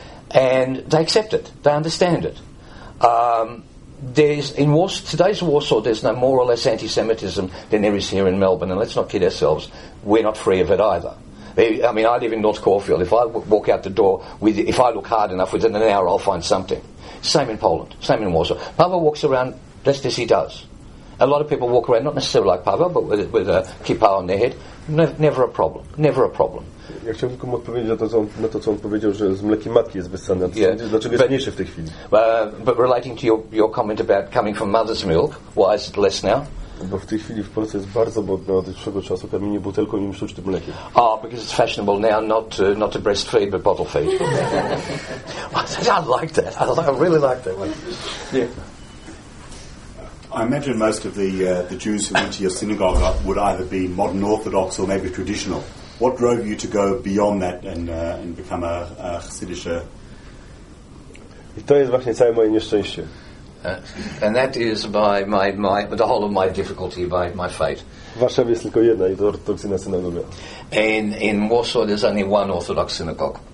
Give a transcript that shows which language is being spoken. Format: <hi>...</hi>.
<en>And they accept it. They understand it. Today's Warsaw, there's no more or less anti-Semitism than there is here in Melbourne, and let's not kid ourselves, we're not free of it either. I live in North Caulfield. If I walk out the door, if I look hard enough, within an hour I'll find something. Same in Poland, same in Warsaw. Paweł walks around just as he does. A lot of people walk around, not necessarily like Paweł, but with a kippah on their head. Never a problem.</en> <pl>Ja chciałbym tylko odpowiedzieć na to, co on powiedział, że z mlekiem matki jest wyssany. Dlaczego jest mniejszy w tej chwili?</pl> <en>But relating to your comment about coming from mother's milk, why is it less now?</en> <pl>Bo w tej chwili w Polsce jest bardzo modne od dłuższego czasu karmienie butelką i sztucznym mlekiem.</pl> <en>Oh, because it's fashionable now, not to breastfeed, but bottle feed. I really like that one. Yeah. I imagine most of the Jews who went to your synagogue would either be modern Orthodox or maybe traditional. What drove you to go beyond that and become a Hasidic?</en> <pl>I to jest właśnie całe moje nieszczęście.</pl> <en>And that is the whole of my difficulty, my fate.</en> <pl>Warszawie jest tylko jedna ortodoksyjna synagoga.</pl> <en>In Warsaw there's only one Orthodox synagogue.</en>